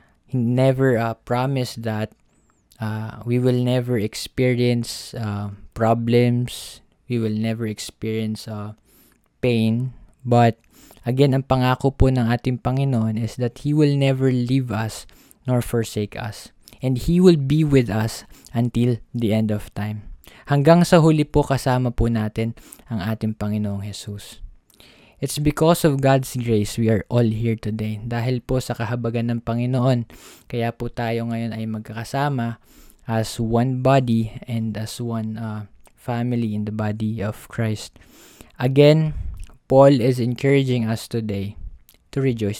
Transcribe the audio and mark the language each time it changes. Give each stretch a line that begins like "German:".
English: He never promised that we will never experience problems, we will never experience pain. But again,
Filipino: ang pangako po ng ating Panginoon
English: is that He will never leave us nor forsake us. And He will be with us until the end of time.
Filipino: Hanggang sa huli po, kasama po natin ang ating Panginoong Jesus.
English: It's because of God's grace we are all here today.
Filipino: Dahil po sa kahabagan ng Panginoon, kaya po tayo ngayon ay magkakasama
English: as one body and as one family in the body of Christ. Again, Paul is encouraging us today to rejoice.